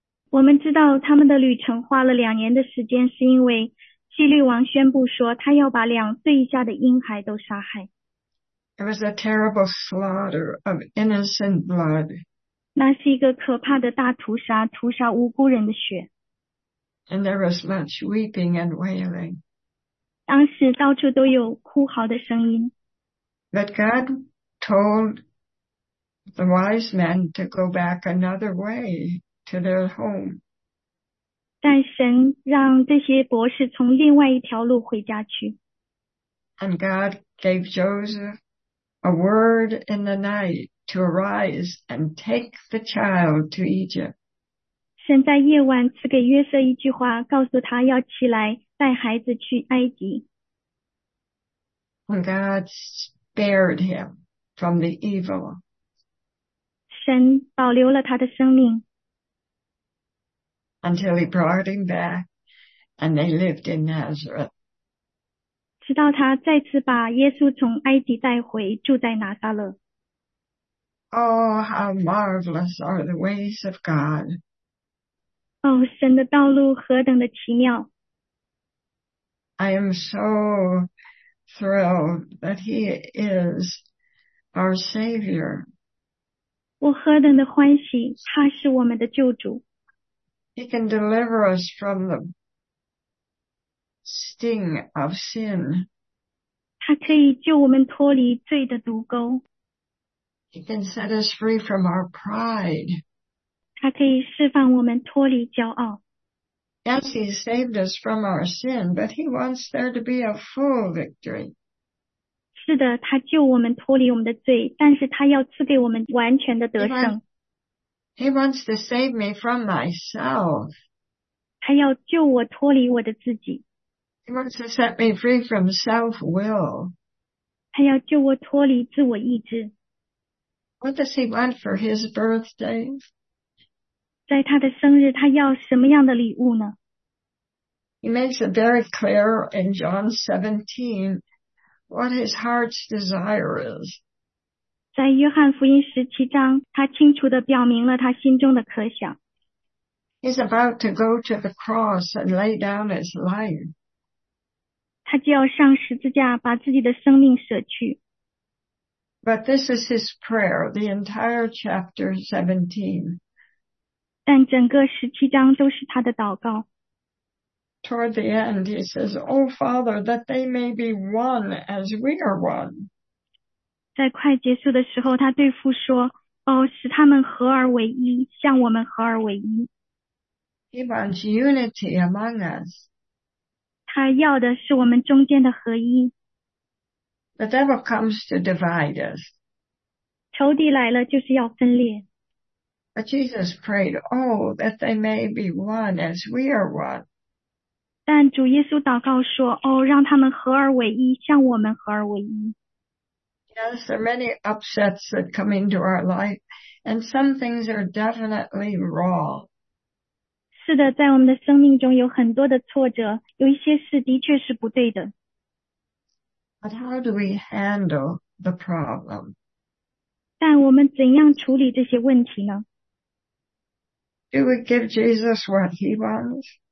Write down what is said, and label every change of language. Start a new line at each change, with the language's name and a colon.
Chinese: 我们知道他们的旅程花了2年的时间，是因为希律王宣布说他要把2岁以下的婴孩都杀害。
English: It was a terrible slaughter of innocent blood.
Chinese: 那是一个可怕的大屠杀，屠杀无辜人的血。
English: And there was much weeping and wailing.
Chinese: 当时到处都有哭嚎的声音。
English: But God told the wise men to go back another way to their home.
Chinese: 但神让这些博士从另外一条路回家去。
English: And God gave Joseph a word in the night to arise and take the child to Egypt.
Chinese: 神在夜晚赐给约瑟一句话，告诉他要起来带孩子去埃及。
English: And God spared him from the evil.
Chinese: 神保留了他的生命。
English: Until he brought him back and they lived in Nazareth.
Chinese: 直到他再次把耶稣从埃及带回，住在拿撒勒。
English: Oh, how marvelous are the ways of God.
Chinese: 哦，神的道路何等的奇妙。
English: I am so thrilled that he is our Savior.
Chinese: 我何等的欢喜，他是我们的救主。
English: He can deliver us from the sting of sin.
Chinese: 他可以救我们脱离罪的毒钩。
English: He can set us free from our pride.
Chinese: 他可以释放我们脱离骄傲。
English: Yes, he saved us from our sin, but he wants there to be a full victory.
Chinese: 是的，他救我们脱离我们的罪，但是他要赐给我们完全的得胜。
English: He wants to save me from myself.
Chinese: 他要救我脱离我的自己。
English: He wants to set me free from self-will.
Chinese: 他要救我脱离自我意志。
English: What does he want for his birthday?
Chinese: 在他的生日，他要什么样的礼物呢？
English: He makes it very clear in John 17 what his heart's desire is.
Chinese: 在约翰福音17章，他清楚地表明了他心中的渴想。
English: He's about to go to the cross and lay down his life.
Chinese: 他就要上十字架，把自己的生命舍去。
English: But this is his prayer, the entire chapter 17.
Chinese: 但整个17章都是他的祷告。
English: Toward the end, he says, O Father, that they may be one as we are one.
Chinese: 在快结束的时候，他对父说，哦，使他们合而为一，像我们合而为一。
English: He wants unity among us.
Chinese: 他要的是我们中间的合一。
English: The devil comes to divide us.
Chinese: 仇敌来了就是要分裂。
English: But Jesus prayed, oh, that they may be one as we are one.
Chinese: 但主耶稣祷告说，哦，让他们合而为一，像我们合而为一。
English: Yes, there are many upsets that come into our life, and some things are definitely wrong.
Chinese: 是的，在我们的生命中有很多的挫折，有一些事的确是不对的。
English: But how do we handle the problem?
Chinese: 但我们怎样处理这些问题呢？
English: Do we give Jesus what he wants?